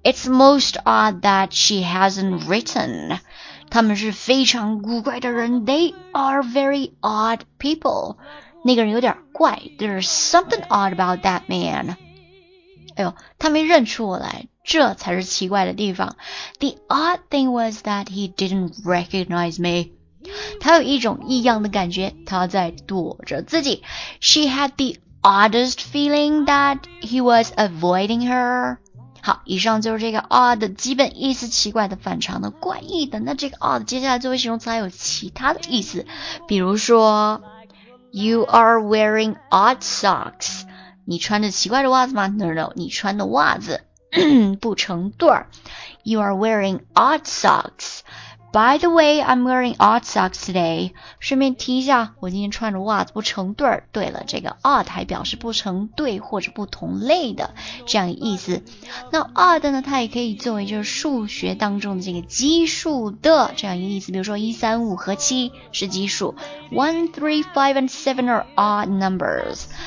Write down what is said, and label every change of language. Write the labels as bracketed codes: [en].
[en] It's most odd that she hasn't written. [zh] 他们是非常古怪的人。 [en] They are very odd people. [zh] 那个人有点怪。 [en] There's something odd about that man. [zh] 哎呦，他没认出我来，这才是奇怪的地方。 [en] The odd thing was that he didn't recognize me. [zh] 他有一种异样的感觉，他在躲着自己。 [en] She had the oddest feeling that he was avoiding her. [zh] 好，以上就是这个 odd 的基本意思，奇怪的、反常的、怪异的。那这个 odd 接下来作为形容词还有其他的意思，比如说 [en] You are wearing odd socks. [zh] 你穿着奇怪的袜子吗？ No, 你穿的袜子不成对。 [en] You are wearing odd socks. By the way, I'm wearing odd socks today. [zh] 顺便提一下，我今天穿着袜子不成对。对了，这个 odd 还表示不成对或者不同类的这样意思。那 odd 呢，它也可以作为就是数学当中的这个奇数的这样一个意思。比如说135和7是奇数， [en] 135 and 7 are odd numbers.